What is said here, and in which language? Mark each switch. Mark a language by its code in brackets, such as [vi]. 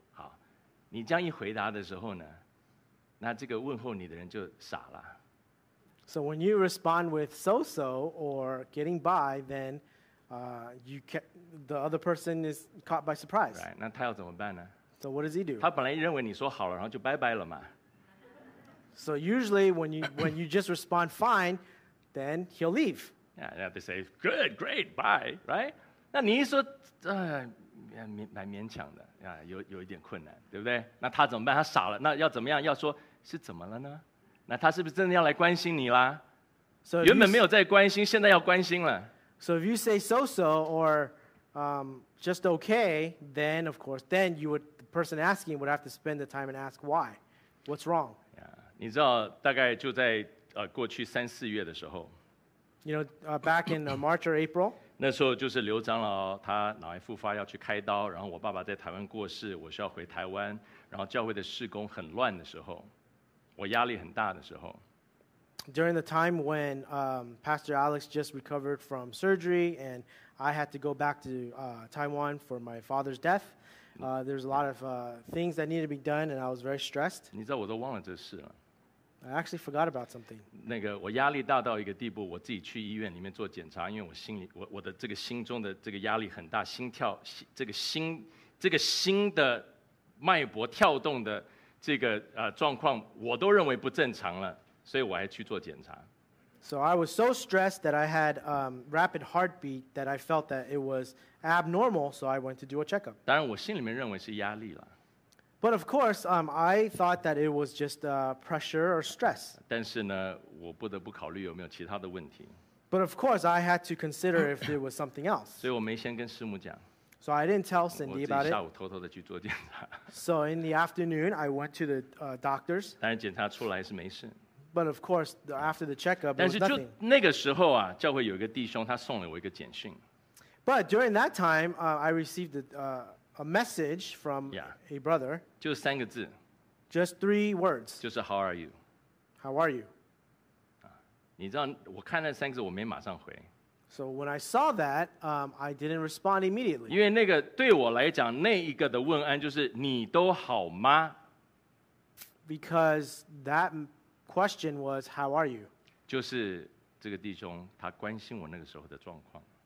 [zh] 好，你这样一回答的时候呢，那这个问候你的人就傻了。 [en] So when you respond with so-so or getting by, then the other person is caught by surprise. [zh] Right, 那他要怎么办呢 [en] ？So what does he do? [zh] 他本来认为你说好了，然后就拜拜了嘛。 [en] So usually when you just respond fine, then he'll leave. Yeah, they have to say good, great, bye, right? [zh] 那你一说，蛮勉强的，有一点困难，对不对？那他怎么办？他傻了。那要怎么样？要说是怎么了呢？那他是不是真的要来关心你啦？原本没有在关心，现在要关心了。 [en] So if you say so-so or just okay, then of course, then you would, the person asking would have to spend the time and ask why. What's wrong? [zh] Yeah, 你知道大概就在过去三四月的时候。 [en] You know, back in March or April. [zh] 那时候就是刘长老他脑癌复发要去开刀，然后我爸爸在台湾过世，我需要回台湾，然后教会的事工很乱的时候，我压力很大的时候。 [en] During the time when Pastor Alex just recovered from surgery and I had to go back to Taiwan for my father's death, there's a lot of things that needed to be done and I was very stressed. [zh] 你知道我都忘了这事了。 [en] I actually forgot about something. [zh] 那个我压力大到一个地步，我自己去医院里面做检查，因为我心里我的这个心中的这个压力很大，心跳这个心的脉搏跳动的这个状况，我都认为不正常了，所以我还去做检查。 [en] So I was so stressed that I had rapid heartbeat that I felt that it was abnormal, so I went to do a checkup. [zh] 当然，我心里面认为是压力了。 [en] But of course, I thought that it was just pressure or stress. [zh] 但是呢，我不得不考虑有没有其他的问题。 [en] But of course, I had to consider if there was something else. [zh] 所以我没先跟师母讲。 [en] So I didn't tell Cindy about it. [zh] 我自己下午偷偷的去做检查。 [en] So in the afternoon, I went to the doctors. [zh] 但是检查出来是没事。 [en] But of course, after the checkup, [zh] 但是就那个时候啊，教会有一个弟兄，他送了我一个简讯。 [en] But during that time, I received a message from a brother. [zh] 就三个字。 [en] Just three words. 就是 How are you? How are you? [zh] 你知道我看那三个字，我没马上回。 [en] So when I saw that, I didn't respond immediately. [zh] 因为那个对我来讲，那一个的问安就是你都好吗？ [en] Because that question was How are you? [zh] 就是这个弟兄他关心我那个时候的状况。